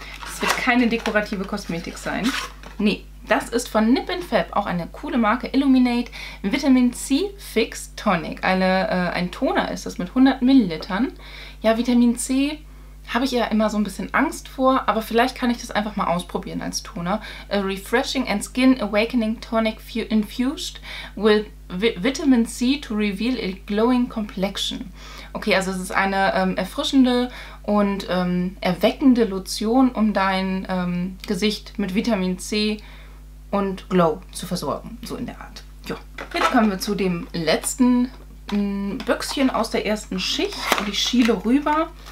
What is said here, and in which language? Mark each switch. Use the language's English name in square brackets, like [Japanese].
[German] Das wird keine dekorative Kosmetik sein. Nee, das ist von Nip & Fab, auch eine coole Marke, Illuminate Vitamin C Fix Tonic. Ein Toner ist das mit 100 Millilitern. Ja, Vitamin C habe ich ja immer so ein bisschen Angst vor, aber vielleicht kann ich das einfach mal ausprobieren als Toner. [English] A refreshing and skin awakening tonic infused with Vitamin C to reveal a glowing complexion. [German] Okay, also es ist eine erfrischende und erweckende Lotion, um dein Gesicht mit Vitamin C und Glow zu versorgen, so in der Art. Jo. Jetzt kommen wir zu dem letzten Büchschen aus der ersten Schicht und ich schiele rüber.